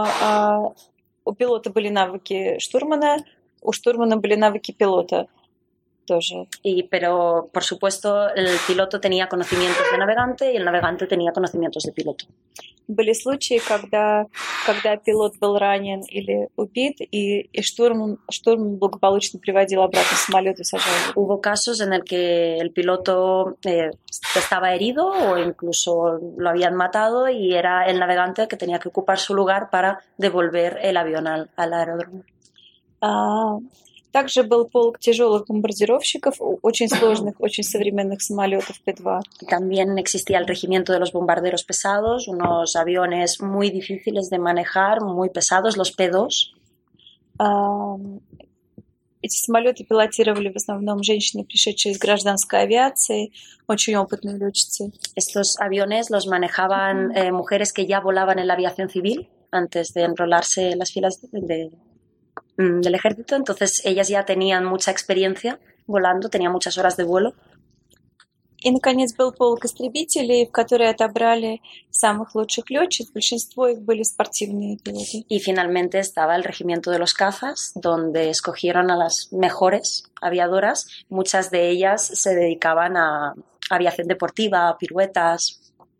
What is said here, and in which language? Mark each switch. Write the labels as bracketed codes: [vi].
[ru] Но у пилота были навыки штурмана, у штурмана были навыки пилота тоже. [es] Pero, por supuesto, el piloto tenía conocimientos de navegante y el navegante tenía conocimientos de piloto. [ru] Были случаи, когда пилот был ранен или убит, и штурман благополучно приводил обратно самолет и сажал. [es] Hubo casos en el que el piloto estaba herido o incluso lo habían matado y era el navegante que tenía que ocupar su lugar para devolver el avión al aeródromo. [ru] Также был полк тяжелых бомбардировщиков, очень сложных, очень современных самолетов P-2. [es] También existía el regimiento de los bombarderos pesados, unos aviones muy difíciles de manejar, muy pesados, los P-2. [ru] Эти самолеты пилотировали в основном женщины, пришедшие из гражданской авиации, очень опытные летчицы. [es] Estos aviones los manejaban mujeres que ya volaban en la aviación civil antes de enrolarse en las filas del ejército, entonces ellas ya tenían mucha experiencia volando, tenían muchas horas de vuelo. [ru] Y, наконец, был полк истребителей, в который отобрали самых лучших летчиц. Большинство их были спортивные пилоты. [es] Y finalmente estaba el regimiento de los cazas, donde escogieron a las mejores aviadoras. Muchas de ellas se dedicaban a aviación deportiva, a piruetas.